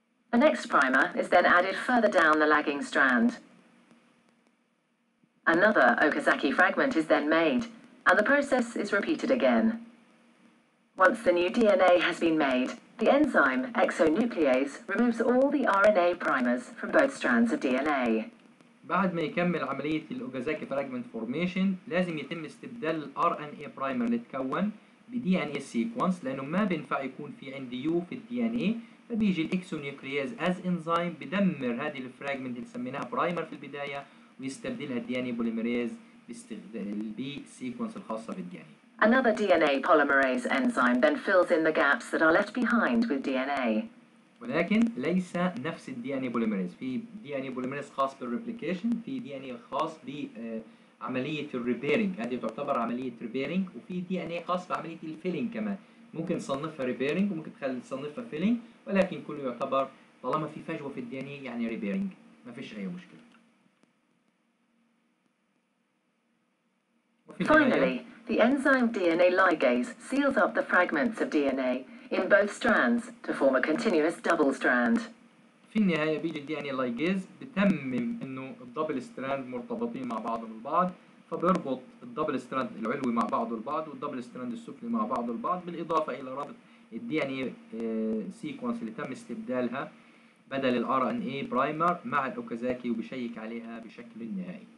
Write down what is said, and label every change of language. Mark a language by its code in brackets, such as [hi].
[en] The next primer is then added further down the lagging strand. Another Okazaki fragment is then made, and the process is repeated again. Once the new DNA has been made, the enzyme exonuclease removes all the RNA primers from both strands of DNA. [ar] بعد ما يكمل عملية الأوكازاكي فراجمنت فورميشن، لازم يتم استبدال الـ RNA primer اللي تكون بـ DNA sequence، لأنه ما بينفع يكون في عندي يو في الـ DNA، فبيجي الـ exonuclease [en] as enzyme [ar] بدمر هذه الفراجمنت اللي سميناها برايمر في البداية، ويستبدلها الدي ان اي بوليميريز باستخدام البي سيكونس الخاصه بالدي ان اي. [en] Another DNA polymerase enzyme then fills in the gaps that are left behind with DNA. [ar] ولكن ليس نفس الدي ان اي بوليميريز، في دي ان اي بوليميريز خاص بالريبليكيشن، في دي ان اي خاص ب عمليه الريبيرنج، هذه تعتبر عمليه ريبيرنج، وفي دي ان اي خاص بعمليه الفيلنج كمان، ممكن نصنفها ريبيرنج وممكن تصنفها فيلنج، ولكن كله يعتبر طالما في فجوه في الدي ان اي يعني ريبيرنج، ما فيش اي مشكله. [en] Finally, the enzyme DNA ligase seals up the fragments of DNA in both strands to form a continuous double strand. [ar] في النهاية بيجي الـ DNA ligase بتمم إنه الدبل ستراند مرتبطين مع بعضهم البعض، فبيربط الدبل ستراند العلوي مع بعضه البعض والدبل ستراند السفلي مع بعضه البعض، بالإضافة إلى ربط الـ DNA sequence اللي تم استبدالها بدل الـ RNA primer مع الأوكازاكي وبشيك عليها بشكل نهائي.